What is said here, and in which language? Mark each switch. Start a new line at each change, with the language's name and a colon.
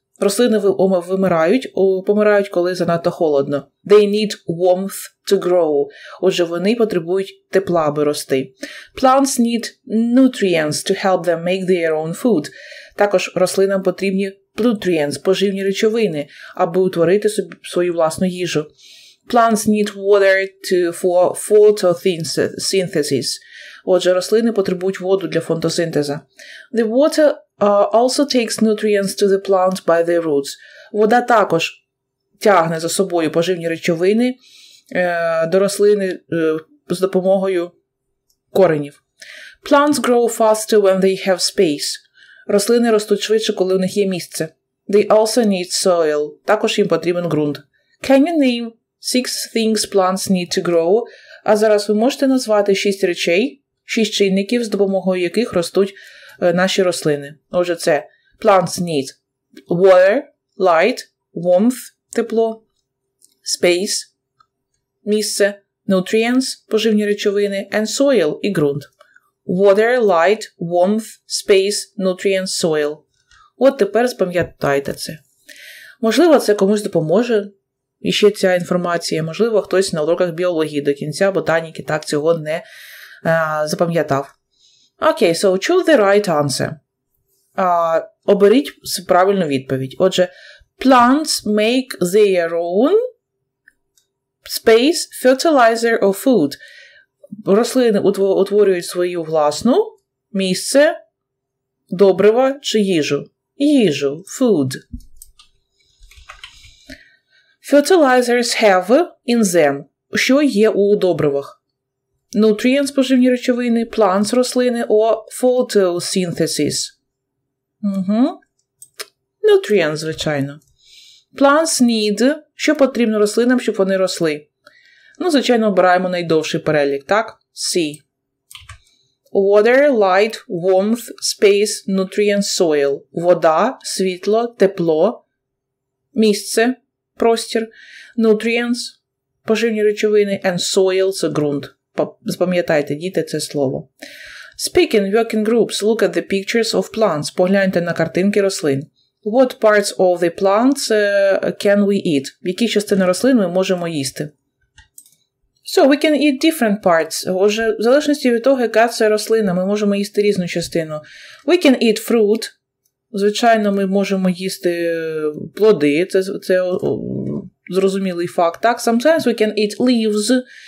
Ukrainian: Рослини помирають, коли занадто холодно.
English: They need warmth to grow.
Ukrainian: Отже, вони потребують тепла, аби рости.
English: Plants need nutrients to help them make their own food.
Ukrainian: Також рослинам потрібні nutrients, поживні речовини, аби утворити собі свою власну їжу.
English: Plants need water for photosynthesis.
Ukrainian: Отже, рослини потребують воду для фотосинтезу.
English: The water also takes nutrients to the plants by the roots.
Ukrainian: Вода також тягне за собою поживні речовини до рослини з допомогою коренів.
English: Plants grow faster when they have space.
Ukrainian: Рослини ростуть швидше, коли у них є місце.
English: They also need soil.
Ukrainian: Також їм потрібен ґрунт.
English: Can you name six things plants need to grow?
Ukrainian: А зараз ви можете назвати шість речей, шість чинників, з допомогою яких ростуть наші рослини.
English: Отже, це plants need water, light, warmth, тепло, space, місце, nutrients, поживні речовини, and soil, і ґрунт. Water, light, warmth, space, nutrients, soil.
Ukrainian: От тепер спам'ятайте це. Можливо, це комусь допоможе, і ще ця інформація. Можливо, хтось на уроках біології до кінця ботаніки так цього не запам'ятав.
English: Окей, okay, so choose the right answer.
Ukrainian: Оберіть правильну відповідь.
English: Отже, plants make their own space, fertilizer or food.
Ukrainian: Рослини утворюють свою власну місце, добрива чи їжу. Їжу, food.
English: Fertilizers have in them.
Ukrainian: Що є у добривах?
English: Nutrients, поживні речовини, plants, рослини, or photosynthesis.
Ukrainian: Nutrients, звичайно.
English: Plants need,
Ukrainian: що потрібно рослинам, щоб вони росли. Ну, звичайно, обираємо найдовший перелік, так?
English: See. Water, light, warmth, space, nutrients, soil.
Ukrainian: Вода, світло, тепло, місце, простір, nutrients, поживні речовини, and soil, це ґрунт. Запам'ятайте, діти, це слово.
English: Speak in working groups. Look at the pictures of plants.
Ukrainian: Погляньте на картинки рослин.
English: What parts of the plants can we eat?
Ukrainian: Які частини рослин ми можемо їсти?
English: So, we can eat different parts.
Ukrainian: Отже, в залежності від того, яка це рослина, ми можемо їсти різну частину.
English: We can eat fruit.
Ukrainian: Звичайно, ми можемо їсти плоди. Це зрозумілий факт. Так?
English: Sometimes we can eat leaves.